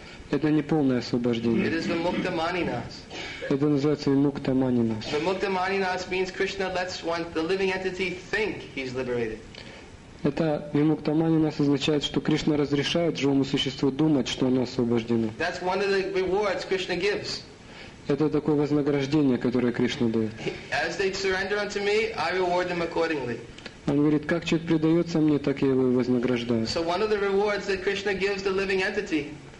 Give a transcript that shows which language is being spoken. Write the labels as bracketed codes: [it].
[ru] Это не полное освобождение. [en] It is the mukta maninas. [ru] Это называется мукта манинас. [en] The mukta maninas means Krishna lets one, the living entity, think he's liberated. [ru] Это мукта манинас означает, что Кришна разрешает живому существу думать, что оно освобождено. [en] That's one of the rewards Krishna gives. [ru] Это такое вознаграждение, которое Кришна дает. [en] As they surrender unto me, I reward them accordingly. [ru] Он говорит, как человек предается мне, так я его и вознаграждаю. [en] So one of the rewards that Krishna gives the living entity.